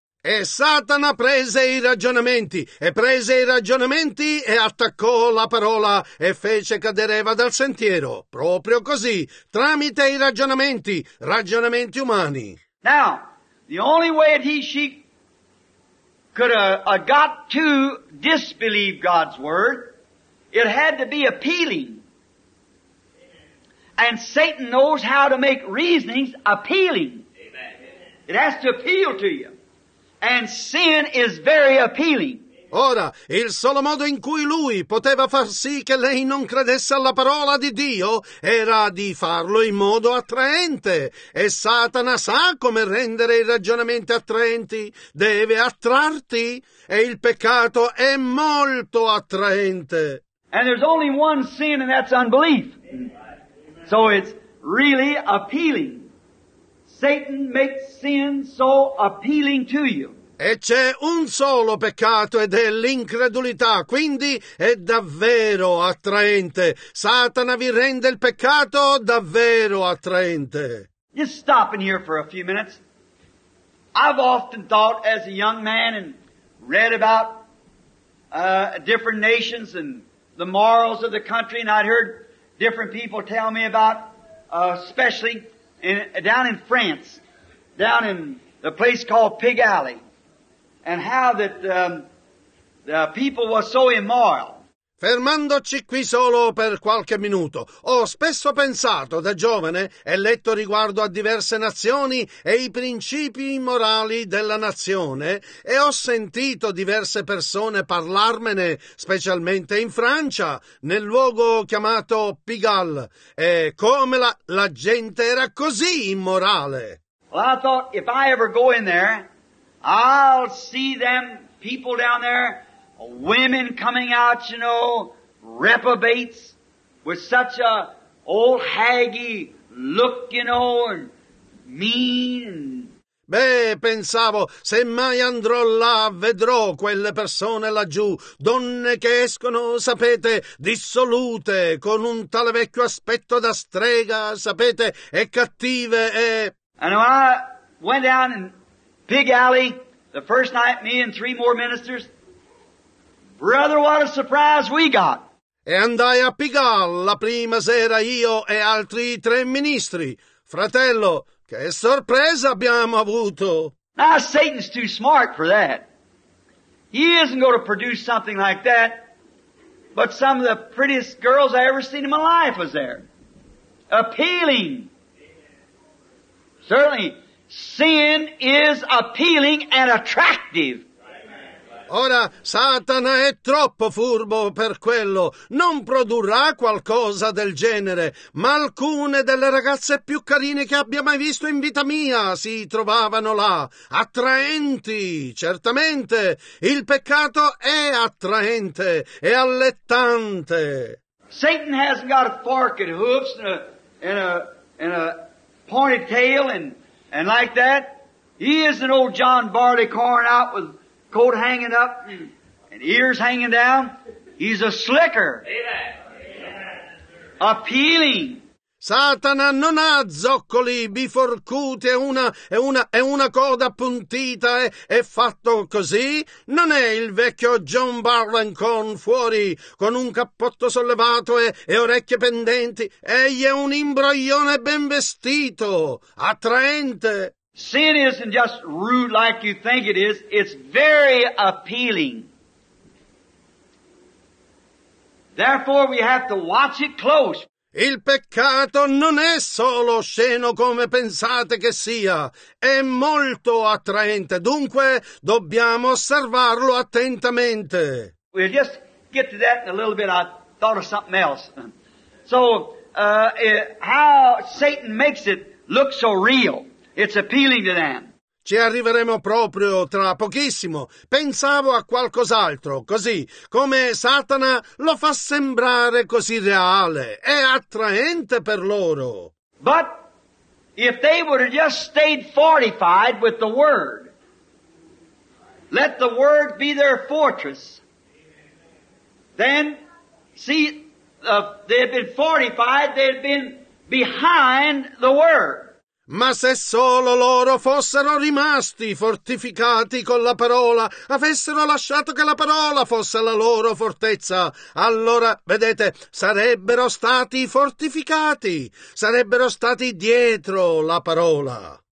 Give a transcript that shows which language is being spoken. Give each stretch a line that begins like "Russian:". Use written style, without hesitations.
Italian: E Satana prese i ragionamenti e prese i ragionamenti e attaccò la parola e fece cadere Eva dal sentiero. Proprio così, tramite i ragionamenti, ragionamenti umani.
English: Now, the only way that she could have got to disbelieve God's word, it had to be appealing. And Satan knows how to make reasonings appealing. Amen. It has to appeal to you. And sin is very appealing.
Italian: Ora, il solo modo in cui lui poteva far sì che lei non credesse alla parola di Dio era di farlo in modo attraente. E Satana sa come rendere i ragionamenti attraenti. Deve attrarti. E il peccato è molto attraente.
English: And there's only one sin, and that's unbelief. So it's really appealing. Satan makes sin so appealing to you.
Italian: E c'è un solo peccato ed è l'incredulità, quindi è davvero attraente. Satana vi rende il peccato davvero attraente.
English: Just stopping here for a few minutes. I've often thought as a young man and read about different nations and the morals of the country, and I'd heard different people tell me about, especially in, down in France, down in the place called Pig Alley. And how that the people were so immoral.
Italian: Fermandoci qui solo per qualche minuto, ho spesso pensato da giovane e letto riguardo a diverse nazioni e i principi immorali della nazione, e ho sentito diverse persone parlarmene, specialmente in Francia, nel luogo chiamato Pigalle, e come la gente era così immorale.
English: Well, I thought if I ever go in there, I'll see them people down there, women coming out, you know, reprobates, with such a old haggy look, you know, and mean.
Italian: Beh, pensavo, se mai andrò là, vedrò quelle persone laggiù, donne che escono, sapete, dissolute, con un tale vecchio aspetto da strega, sapete, e cattive, e...
English: And I went down in Pig Alley, the first night, me and three more ministers, brother, what a surprise we got.
Italian: E andai a Pigalle la prima sera io e altri tre ministri. Fratello, che sorpresa abbiamo avuto.
English: Now, Satan's too smart for that. He isn't going to produce something like that. But some of the prettiest girls I ever seen in my life was there. Appealing. Certainly. Sin is appealing and attractive.
Italian: Ora, Satana è troppo furbo per quello. Non produrrà qualcosa del genere, ma alcune delle ragazze più carine che abbia mai visto in vita mia si trovavano là. Attraenti, certamente. Il peccato è attraente, è allettante.
English: Satan hasn't got a fork and hoofs and a pointed tail and like that, he isn't old John Barleycorn out with coat hanging up and ears hanging down. He's a slicker. Amen. Appealing.
Italian: Satana non ha zoccoli biforcuti e una coda appuntita è fatto così. Non è il vecchio John Barleycorn fuori con un cappotto sollevato e orecchie pendenti. Egli è un imbroglione ben vestito, attraente.
English: Sin isn't just rude like you think it is. It's very appealing. Therefore we have to watch it close.
Italian: Il peccato non è solo sceno come pensate che sia, è molto attraente, dunque dobbiamo osservarlo attentamente.
English: We'll just get to that in a little bit. I thought of something else. How Satan makes it look so real, it's appealing to them.
Italian: Ci arriveremo proprio tra pochissimo. Pensavo a qualcos'altro, così, come Satana lo fa sembrare così reale. È attraente per loro.
English: But if they would have just stayed fortified with the Word, let the Word be their fortress, then, see, they had been fortified, they had been behind the Word.
Italian: Ma se solo loro fossero rimasti fortificati con la parola, avessero lasciato che la parola fosse la loro fortezza, allora, vedete, sarebbero stati fortificati, sarebbero stati dietro la parola.